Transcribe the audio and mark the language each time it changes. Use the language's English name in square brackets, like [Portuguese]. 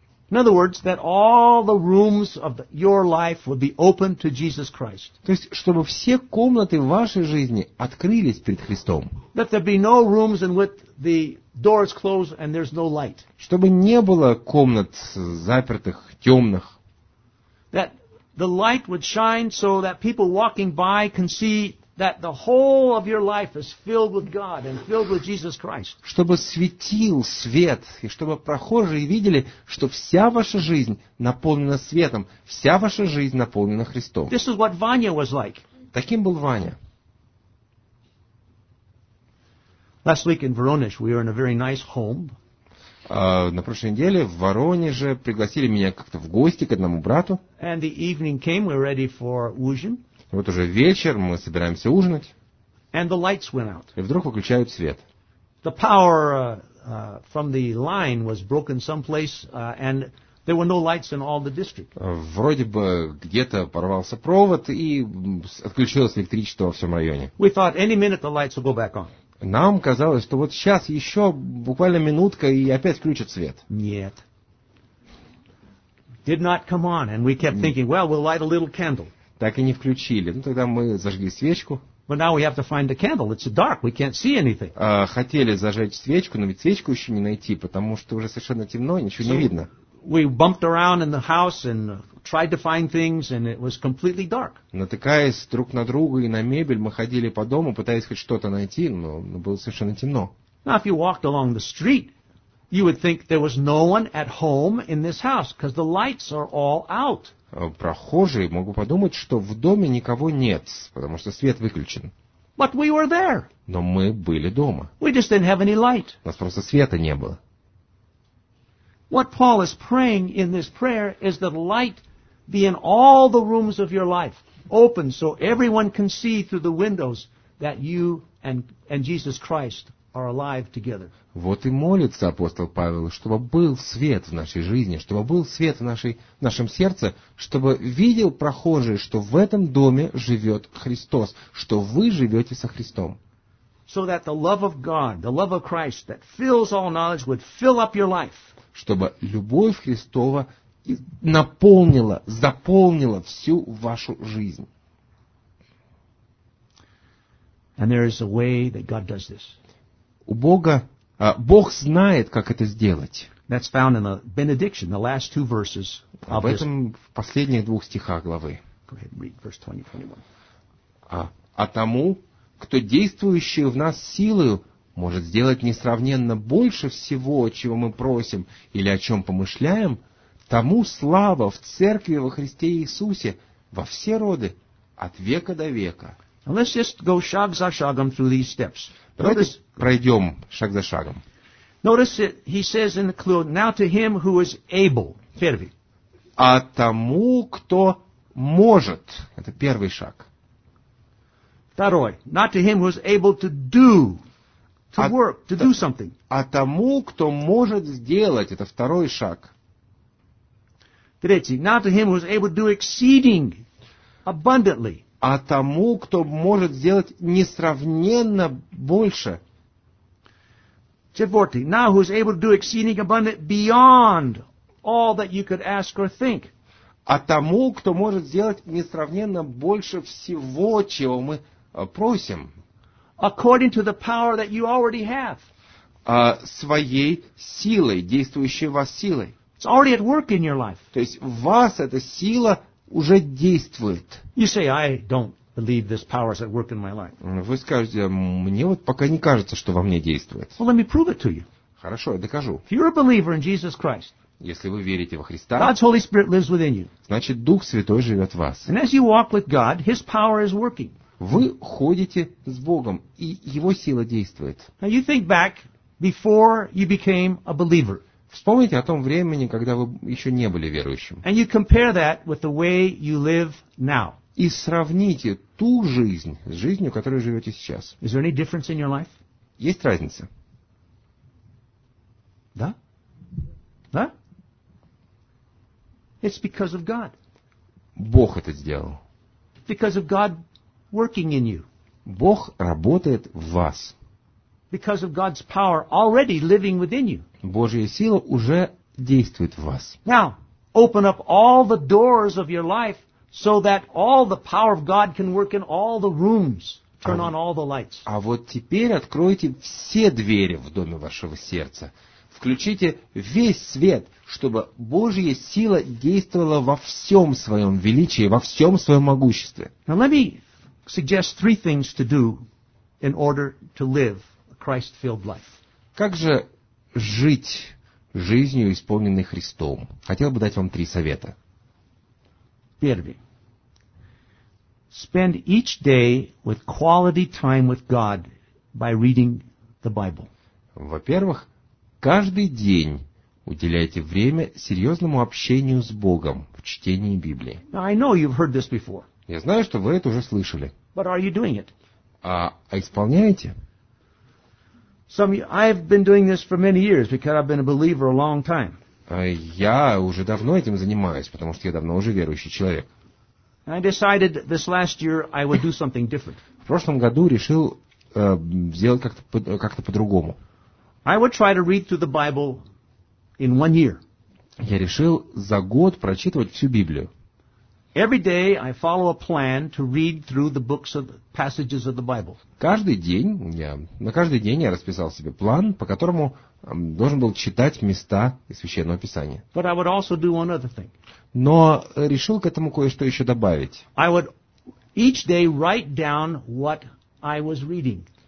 [English] In other words, that all the rooms of your life would be open to Jesus Christ. [Russian] То есть, чтобы все комнаты вашей жизни открылись перед Христом. [English] That there be no rooms in which the doors close and there's no light. [Russian] Чтобы не было комнат запертых, темных. [English] That the light would shine so that people walking by can see that the whole of your life is filled with God and filled with Jesus Christ. [Russian] Чтобы светил свет, и чтобы прохожие видели, что вся ваша жизнь наполнена светом, вся ваша жизнь наполнена Христом. [English] This is what Vanya was like. [Russian] Таким был Ваня. [English] Last week in Voronezh, we were in a very nice home. [Russian] На прошлой неделе в Воронеже пригласили меня как-то в гости к одному брату. [English] And the evening came, we were ready for [Russian] ужин. Вот уже вечер, мы собираемся ужинать. [English] And the lights went out. [Russian] И вдруг выключают свет. [English] The power from the line was broken someplace, and there were no lights in all the district. [Russian] Вроде бы где-то порвался провод, и отключилось электричество во всем районе. [English] We thought any minute the lights will go back on. [Russian] Нам казалось, что вот сейчас еще буквально минутка, и опять включат свет. Нет. [English] Did not come on, and we kept thinking, well, we'll light a little candle. [Russian] Так и не включили. Ну, тогда мы зажгли свечку. [English] But now we have to find the candle. It's dark. We can't see anything. [Russian] Хотели зажечь свечку, но ведь свечку еще не найти, потому что уже совершенно темно, ничего не видно. [English] We bumped around in the house and tried to find things, and it was completely dark. [Russian] Натыкаясь друг на друга и на мебель, мы ходили по дому, пытаясь хоть что-то найти, но было совершенно темно. [English] Now, if you walked along the street, you would think there was no one at home in this house, because the lights are all out. [Russian] Прохожий мог бы подумать, что в доме никого нет, потому что свет выключен. [English] But we were there. [Russian] Но мы были дома. [English] We just didn't have any light. [Russian] У нас просто света не было. [English] What Paul is praying in this prayer is that light be in all the rooms of your life, open so everyone can see through the windows that you and Jesus Christ are alive together. [Russian] Вот и молится апостол Павел, чтобы был свет в нашей жизни, чтобы был свет в нашем сердце, чтобы видел прохожий, что в этом доме живет Христос, что вы живете со Христом. [English] So that the love of God, the love of Christ that fills all knowledge would fill up your life. [Russian] Чтобы любовь Христова наполнила, заполнила всю вашу жизнь. [English] And there is a way that God does this. [Russian] У Бога, Бог знает, как это сделать. [English] That's found in the benediction, the last two verses of this. [Russian] Об этом в последних двух стихах главы. [English] Go ahead and read verse 20-21. [Russian] А тому, кто действующий в нас силою, может сделать несравненно больше всего, чего мы просим или о чем помышляем, тому слава в Церкви во Христе Иисусе во все роды от века до века. [English] Let's just go [Russian] shag za shagam [English] through these steps. [Russian] Давайте пройдем шаг за шагом. [English] Notice it, he says in the clue, now to him who is able, [Russian] первый. А тому, кто может. Это первый шаг. Второй. [English] Not to him who is able to do. To work, to do something. [Russian] А тому, кто может сделать, это второй шаг. Третий. [English] Now to him who is able to do exceeding abundantly. [Russian] А тому, кто может сделать несравненно больше. Четвертый. [English] Now who is able to do exceeding abundant beyond all that you could ask or think. [Russian] А тому, кто может сделать несравненно больше всего, чего мы просим. [English] According to the power that you already have. [Russian] Своей силой, действующей в вас силой. [English] It's already at work in your life. [Russian] То есть в вас эта сила уже действует. [English] You say, I don't believe this power is at work in my life. [Russian] Вы скажете, мне вот пока не кажется, что во мне действует. [English] Well, let me prove it to you. [Russian] Хорошо, я докажу. [English] If you're a believer in Jesus Christ, [Russian] если вы верите во Христа, [English] God's Holy Spirit lives within you. [Russian] Значит, Дух Святой живет в вас. [English] And as you walk with God, His power is working. [Russian] Вы ходите с Богом, и Его сила действует. [English] Now you think back before you became a believer. [Russian] Вспомните о том времени, когда вы еще не были верующим. [English] And you compare that with the way you live now. [Russian] И сравните ту жизнь с жизнью, которой живете сейчас. [English] Is there any difference in your life? [Russian] Есть разница? Да? Да? [English] It's because of God. [Russian] Бог это сделал. [English] Because of God working in you. [Russian] Бог работает в вас. [English] Because of God's power already living within you. [Russian] Божья сила уже действует в вас. [English] Now, open up all the doors of your life so that all the power of God can work in all the rooms. Turn on all the lights. [Russian] А вот теперь откройте все двери в доме вашего сердца. Включите весь свет, чтобы Божья сила действовала во всем своем величии, во всем своем могуществе. [English] Now let me suggest three things to do in order to live a Christ-filled life. [Russian] Как же жить жизнью, исполненной Христом? Хотел бы дать вам три совета. Первый. [English] Spend each day with quality time with God by reading the Bible. [Russian] Во-первых, каждый день уделяйте время серьезному общению с Богом в чтении Библии. [English] Now, I know you've heard this before. [Russian] Я знаю, что вы это уже слышали. [English] But are you doing it? [Russian] А исполняете? [English] I've been doing this for many years because I've been a believer a long time. [Russian] Я уже давно этим занимаюсь, потому что я давно уже верующий человек. [English] I decided this last year I would do something different. [Russian] В прошлом году решил сделать как-то по-другому. [English] I would try to read through the Bible in one year. [Russian] Я решил за год прочитывать всю Библию. [English] Every day I follow a plan to read through the books of the passages of the Bible. [Russian] На каждый день я расписал себе план, по которому должен был читать места из Священного Писания. [English] But I would also do one other thing. [Russian] Но решил к этому кое-что еще добавить. [English] I would each day write down what I was reading.